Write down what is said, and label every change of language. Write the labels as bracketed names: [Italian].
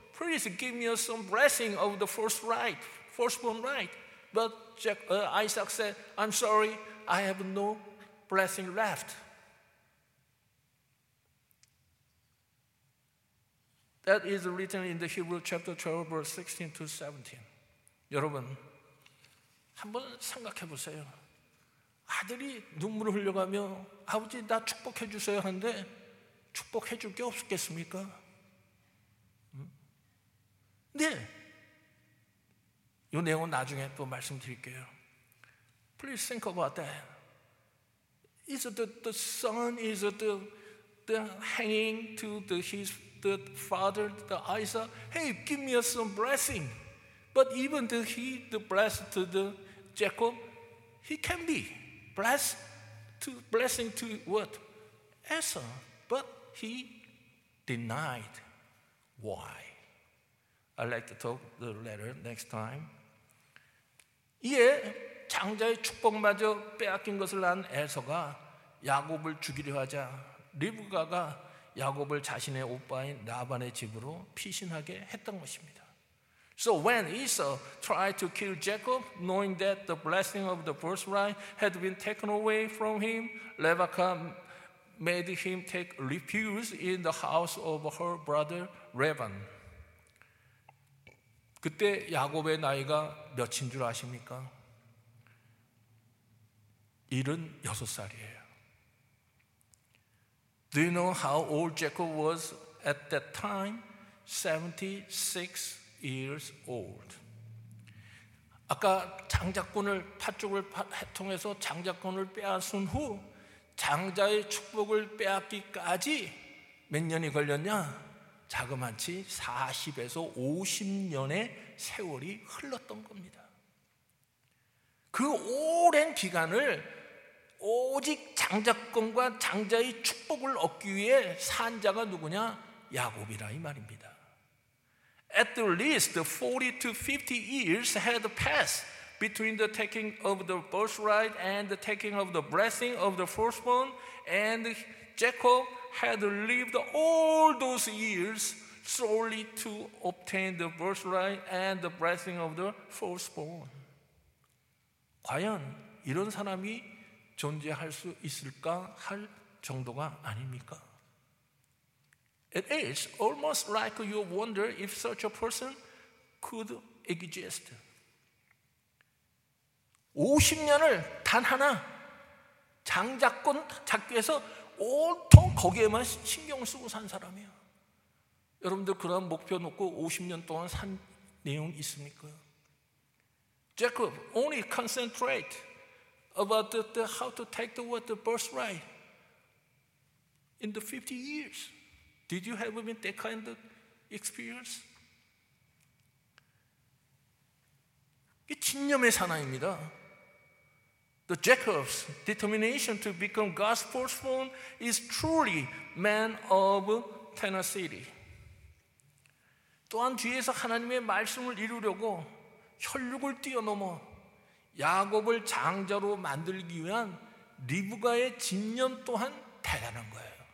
[English] Please give me some blessing of the firstborn right." But Isaac said, "I'm sorry, I have no blessing left." That is written in the Hebrew chapter 12, verse 16 to 17. [Korean] 여러분, 한번 생각해 보세요. 아들이 눈물을 흘려가며 아버지 나 축복해 주세요 하는데 축복해 줄 게 없겠습니까? 네. 이 내용은 나중에 또 말씀드릴게요. [English] Please think about that. Is the son is the hanging to the father, the Isaac? Hey, give me some blessing. But even the blessed to the Jacob, he can be blessed to blessing to what? Esau. But he denied. Why? I'd like to talk the letter next time. [Korean] 이에 장자의 축복마저 빼앗긴 것을 안 에서가 야곱을 죽이려 하자 리브가가 야곱을 자신의 오빠인 라반의 집으로 피신하게 했던 것입니다. [English] So when Esau tried to kill Jacob, knowing that the blessing of the birthright had been taken away from him, Rebekah made him take refuge in the house of her brother Laban. [Korean] 그때 야곱의 나이가 몇인 줄 아십니까? 76살이에요. [English] Do you know how old Jacob was at that time? 76 years old. [Korean] 아까 장자권을 팥죽을 통해서 장자권을 빼앗은 후 장자의 축복을 빼앗기까지 몇 년이 걸렸냐? 자그만치 40에서 50년의 세월이 흘렀던 겁니다. 그 오랜 기간을 오직 장자권과 장자의 축복을 얻기 위해 산 자가 누구냐? 야곱이라 이 말입니다. [English] At the least 40 to 50 years had passed between the taking of the birthright and the taking of the blessing of the firstborn, and Jacob had lived all those years solely to obtain the birthright and the blessing of the firstborn. [Korean] 과연 이런 사람이 존재할 수 있을까 할 정도가 아닙니까? [English] It is almost like you wonder if such a person could exist. [Korean] 50년을 단 하나 장자권 잡기에서 온통 거기에만 신경을 쓰고 산 사람이야. 여러분들 그런 목표 놓고 50년 동안 산 내용 있습니까? [English] Jacob only concentrate about the how to take the what the birthright in the 50 years. Did you have even that kind of experience? [Korean] 이게 진념의 사나이입니다. [English] The Jacob's determination to become God's firstborn is truly man of tenacity. [Korean] 또한 뒤에서 하나님의 말씀을 이루려고 혈육을 뛰어넘어 야곱을 장자로 만들기 위한 리브가의 진념 또한 대단한 거예요.